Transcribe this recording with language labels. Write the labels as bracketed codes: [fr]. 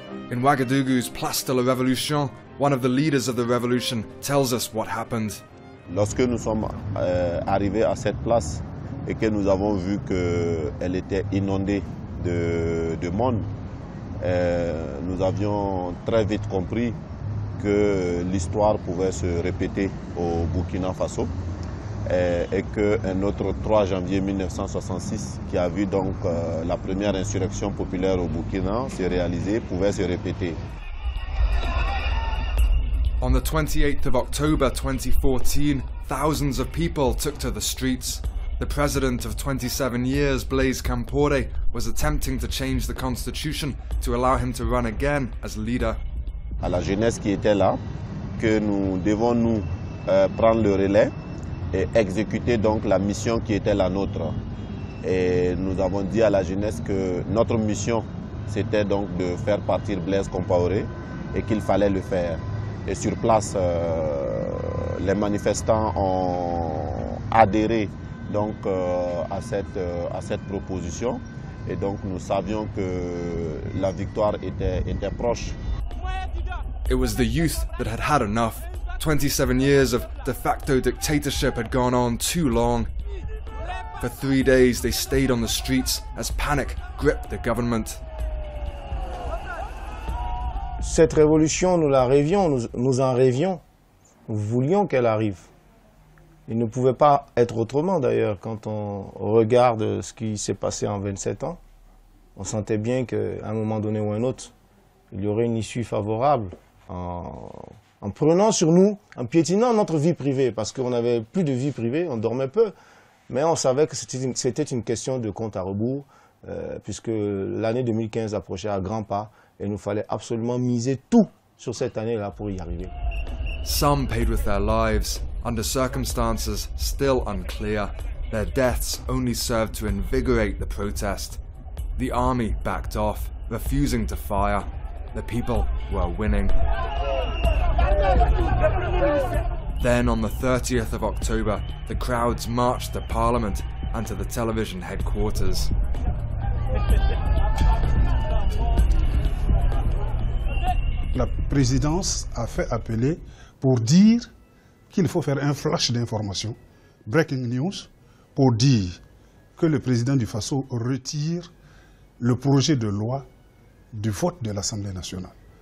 [en] In Ouagadougou's Place de la Révolution, one of the leaders of the revolution tells us what happened. [fr] Lorsque nous sommes arrivés à cette place et que nous avons vu qu'elle était inondée de monde, nous avions très vite compris que l'histoire pouvait se répéter au Burkina Faso et qu'un autre 3 janvier 1966 qui a vu donc la première insurrection populaire au Burkina se réaliser pouvait se répéter. [en] On the 28th of October 2014, thousands of people took to the streets. The president of 27 years, Blaise Compaoré, was attempting to change the constitution to allow him to run again as leader. [fr] À la jeunesse qui était là, que nous devons nous prendre le relais et exécuter donc la mission qui était la nôtre. Et nous avons dit à la jeunesse que notre mission, c'était donc de faire partir Blaise Compaoré et qu'il fallait le faire. Et sur place, les manifestants ont adhéré donc à cette proposition. Et donc nous savions que la victoire était proche. [en] It was the youth that had had enough. 27 years of de facto dictatorship had gone on too long. For 3 days, they stayed on the streets as panic gripped the government. [fr] Cette révolution, nous la rêvions, nous en rêvions. Nous voulions qu'elle arrive. Il ne pouvait pas être autrement d'ailleurs, quand on regarde ce qui s'est passé en 27 ans. On sentait bien qu'à un moment donné ou un autre, il y aurait une issue favorable en prenant sur nous, en piétinant notre vie privée, parce qu'on n'avait plus de vie privée, on dormait peu, mais on savait que c'était une question de compte à rebours, puisque l'année 2015 approchait à grands pas, et il nous fallait absolument miser tout sur cette année-là pour y arriver. [en] Some paid with their lives, under circumstances still unclear. Their deaths only served to invigorate the protest. The army backed off, refusing to fire. The people were winning. Then on the 30th of October, the crowds marched to Parliament and to the television headquarters. [fr] La présidence a fait appeler pour dire qu'il faut faire un flash d'information, [en] breaking news, [fr] pour dire que le président du Faso retire le projet de loi du vote de l'Assemblée nationale.